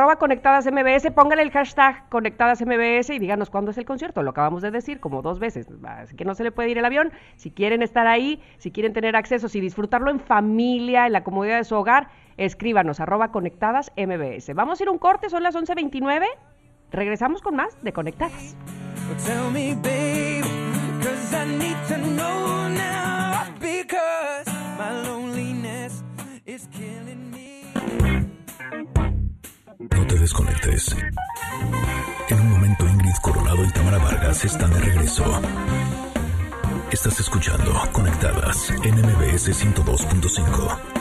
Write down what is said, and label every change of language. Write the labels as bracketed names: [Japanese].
[Spanish] @conectadasmbs, póngale el hashtag conectadasmbs y díganos cuándo es el concierto. Lo acabamos de decir como dos veces, así que no se le puede ir el avión. Si quieren estar ahí, si quieren tener acceso, si disfrutarlo en familia, en la comodidad de su hogar, escríbanos, @conectadasmbs. Vamos a ir un corte, son las 11:29. Regresamos con más de Conectadas. [English] Tell me, babe, 'cause I need to know now, because my loneliness is killing me. [Spanish] No te desconectes. En un momento, Ingrid Coronado y Tamara Vargas están de regreso. Estás escuchando Conectadas en MBS 102.5.